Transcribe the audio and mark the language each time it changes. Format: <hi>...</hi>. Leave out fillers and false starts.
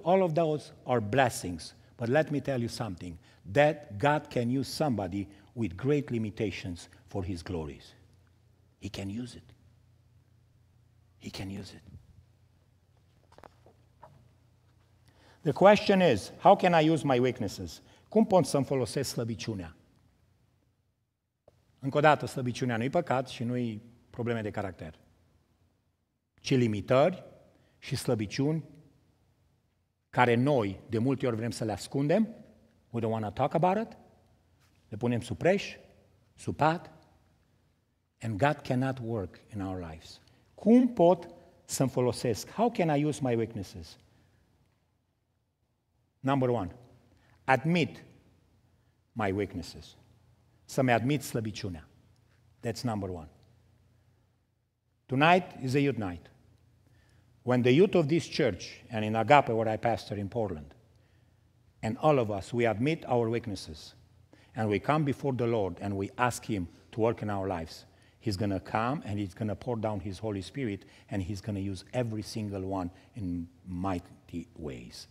<en>All of those are blessings. But let me tell you something. That God can use somebody with great limitations for his glories. He can use it. He can use it. The question is, how can I use my weaknesses?</en> <ro>Cum pot să-mi folosesc slăbiciunea? Încă o dată, slăbiciunea nu-i păcat și nu-i probleme de caracter, ci limitări și slăbiciuni care noi de multe ori vrem să le ascundem,</ro> <en>we don't want to talk about it,</en> <ro>le punem sub preș, sub pat,</ro> <en>and God cannot work in our lives.</en> <ro>Cum pot să-mi folosesc?</ro> <en>How can I use my weaknesses? Number one, admit my weaknesses.</en> <ro>Să-mi admit slăbiciunea.</ro> <en>That's number one. Tonight is a youth night. When the youth of this church and in Agape, where I pastor in Portland, and all of us, we admit our weaknesses and we come before the Lord and we ask him to work in our lives, he's going to come and he's going to pour down his Holy Spirit and he's going to use every single one in mighty ways.</en>